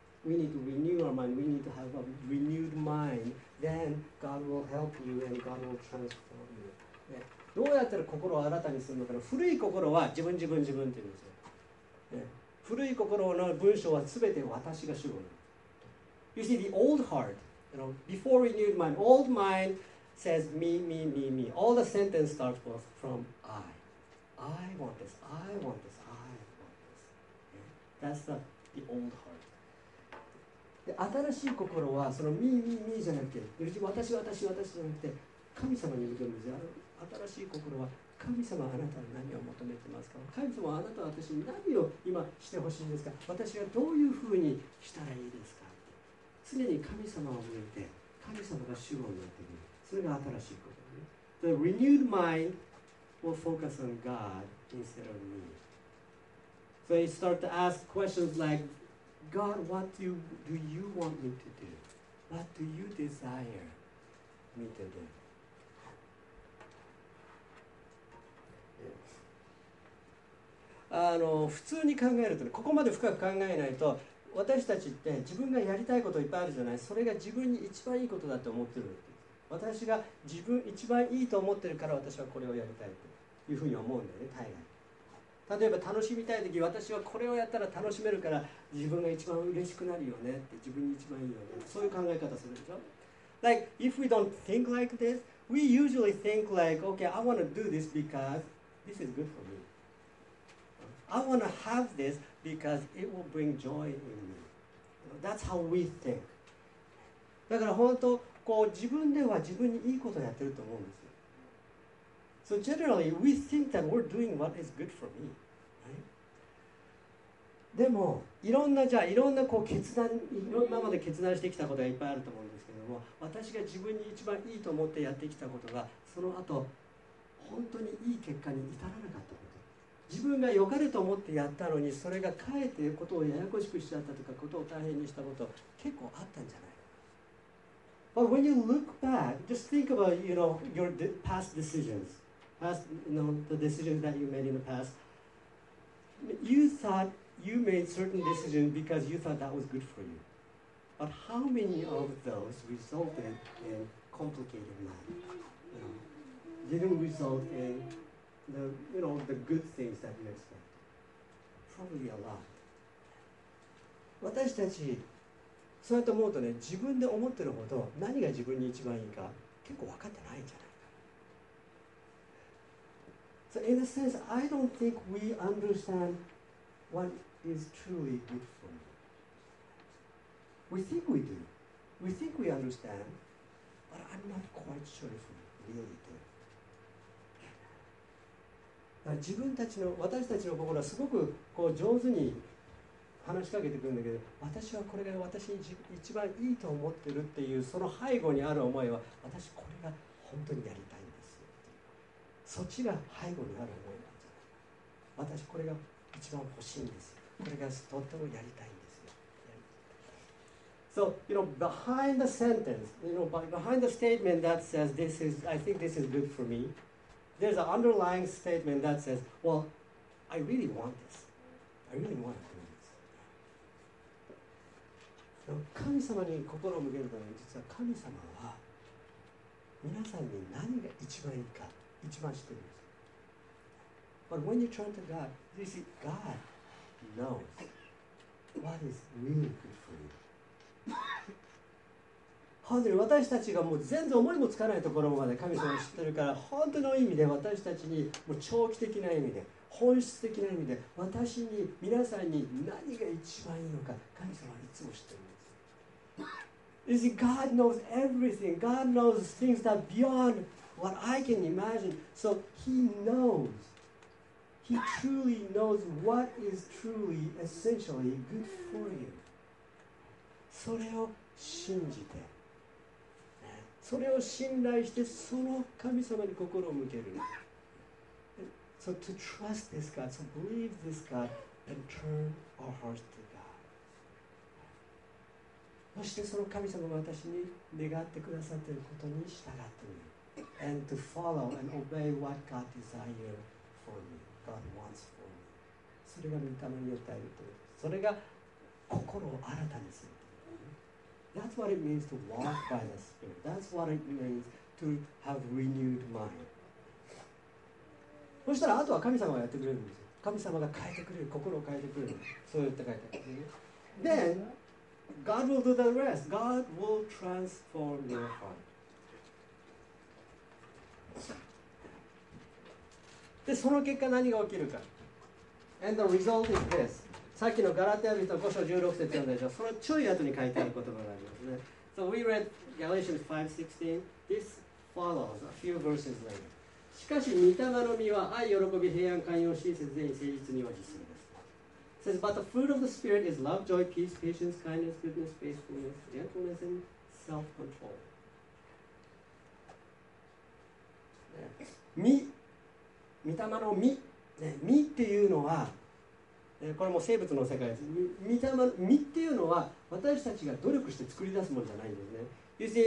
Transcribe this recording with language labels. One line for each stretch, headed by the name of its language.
English: We need to renew our mind. We need to have a renewed mind. Then God will help you and God will transform you.、
Japanese: ね、どうやったら心を新たにするのかな。古い心は自分自分自分って言うんですよ、ね。古い心の文章は全て私が主語なの。
English: You see, the old heart, you know, before renewed mind, old mind says me, me, me, me. All the sentence starts with from I. I want this, I want this, I want this.、ね、That's the old heart.
Japanese: で新しい心はそのミーミーミーじゃなくて、私私私じゃなくて神様に向けるんですよ。新しい心は神様あなたは何を求めてますか、神様あなたは私に何を今してほしいんですか、私はどういうふうにしたらいいですか、常に神様を向いて神様が主語になっている。それが新しい心です。
English: The renewed mind will focus on God instead of me. So you start to ask questions likeGod, what do you want me to do? What do you desire me to do?
Japanese: あの普通に考えると、ね、ここまで深く考えないと、私たちって自分がやりたいこといっぱいあるじゃない、それが自分に一番いいことだと思ってる。私が自分一番いいと思ってるから私はこれをやりたいというふうに思うんだよね、大概。例えば楽しみたいとき、私はこれをやったら楽しめるから自分が一番嬉しくなるよねって、自分に一番いいよね、そういう考え方するでしょ。
English: Like if we don't think like this, we usually think like, okay, I want to do this because this is good for me. I want to have this because it will bring joy in me. That's how we think.
Japanese: だから本当こう自分では自分にいいことをやってると思うんですよ。
English: So generally, we think that we're doing what is good for me.、Right?
Japanese: でも、いろんな、じゃあいろんなこう決断、いろんなまで決断してきたことがいっぱいあると思うんですけども、私が自分に一番いいと思ってやってきたことが、その後、本当にいい結果に至らなかったこと。自分が良かれと思ってやったのに、それがかえってことをややこしくしちゃったとか、ことを大変にしたこと、結構あったんじゃない。
English: But when you look back, just think about, you know, your past decisions. Past, you know, the decisions that you made in the past. You thought you made certain decisions because you thought that was good for you. But how many of those resulted in complicated life? You know, didn't result in the, you know, the good things that you expected? Probably a lot.
Japanese: 私たちそうやって思うとね、自分で思ってるほど何が自分に一番いいか結構分かってないんじゃないか。
English: So in a sense, I don't think we understand what is truly good for me. We think we do. We think we understand, but I'm not quite sure if we really do.
Japanese: 自分たちの、私たちの心はすごくこう上手に話しかけてくるんだけど、私はこれが私に一番いいと思ってるっていう、その背後にある思いは、私これが本当にやりたいんですよっていう、そっちが背後にある思いなんじゃないか。私これが一番欲しいんですよ、これがとってもやりたいんですよ。
English: So, you know, behind the sentence, you know, behind the statement that says this is, I think this is good for me, there's an underlying statement that says, well, I really want this. I really want it.
Japanese: 神様に心を向けるため、実は神様は皆さんに何が一番いいか一番知っているんです。
English: But when you turn to God, you see God knows what is really good for you.
Japanese: 本当に私たちがもう全然思いもつかないところまで神様を知っているから、本当の意味で私たちにもう長期的な意味で、本質的な意味で、私に、皆さんに何が一番いいのか神様はいつも知っているんです。
English: You see, God knows everything. God knows things that beyond what I can imagine. So He knows. He truly knows what is truly, essentially good for you.
Japanese: それを信じて、それを信頼して、その神様に心を向ける。
English: So to trust this God, to believe this God, and turn our hearts to.
Japanese: そしてその神様が私に願ってくださっていることに従ってみる。
English: And to follow and obey what God desires for me, God wants for me.
Japanese: それが御霊によって歩むという。それが心を新たにするという。
English: That's what it means to walk by the Spirit. That's what it means to have renewed mind.
Japanese: そしたらあとは神様がやってくれるんですよ。神様が変えてくれる、心を変えてくれる。そう言って書いてあるんですね。
English: God will do the rest. God will transform your heart.
Japanese: で、その結果何が起きるか。
English: And the result is this.
Japanese: さっきのガラテヤ人5章16節読んでしょ。その注意後に書いてある言葉がありますね。
English: So we read Galatians 5:16. This follows a few verses later.
Japanese: しかし、御霊の実は愛、喜び、平安、寛容、親切、善意、誠実に応じする。
English: It says, but the fruit of the Spirit is love, joy, peace, patience, kindness, goodness, faithfulness, gentleness, and self-control.
Japanese: 御霊の実、ね、実っていうのは、これも生物の世界です。御っていうのは、私たちが努力して作り出すものじゃないんですね。